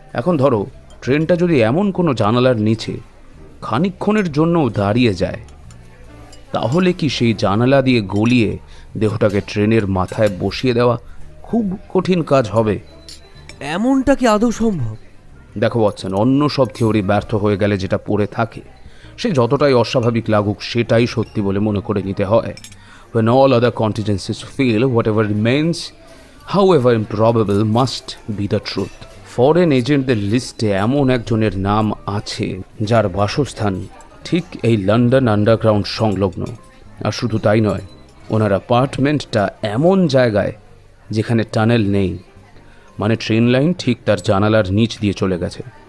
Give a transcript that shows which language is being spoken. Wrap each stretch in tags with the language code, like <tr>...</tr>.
<bn>এখন ধরো ট্রেনটা যদি এমন কোনো জানালার নিচে খানিকক্ষণের জন্য দাঁড়িয়ে যায় তাহলে কি সেই জানালা দিয়ে গলিয়ে দেহটাকে ট্রেনের মাথায় বসিয়ে দেওয়া খুব কঠিন কাজ হবে? এমনটা কি আদৌ সম্ভব? দেখো বাচ্চা, অন্য সব থিওরি ব্যর্থ হয়ে গেলে যেটা পড়ে থাকে সে যতটাই অস্বাভাবিক লাগুক সেটাই সত্যি বলে মনে করে নিতে হয়।</bn> <en>When all other contingencies fail, whatever remains, however improbable, must be the truth.</en> <bn>Foreign এজেন্টদের লিস্টে এমন একজনের নাম আছে যার বাসস্থান ঠিক এই লন্ডন আন্ডারগ্রাউন্ড সংলগ্ন। আর শুধু তাই নয়, ওনার অ্যাপার্টমেন্টটা এমন জায়গায় যেখানে টানেল নেই, মানে ট্রেন লাইন ঠিক তার জানালার নিচ দিয়ে চলে গেছে।</bn>